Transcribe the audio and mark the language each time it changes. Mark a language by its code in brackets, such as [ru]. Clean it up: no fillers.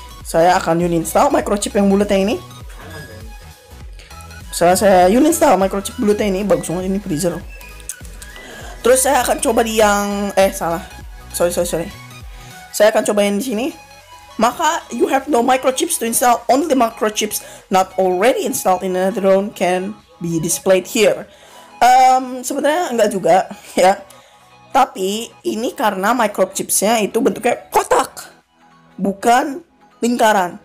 [id] Saya akan uninstall microchip yang bulatnya ini. Misalnya saya uninstall microchip bulatnya ini, bagus banget ini freezer. Terus saya akan coba di yang Sorry. Saya akan cobain di sini. Maka [en] you have no microchips to install. Only the microchips not already installed in another drone can be displayed here. [id] Sebenarnya enggak juga ya. Tapi ini karena microchipsnya itu bentuknya kotak, bukan lingkaran.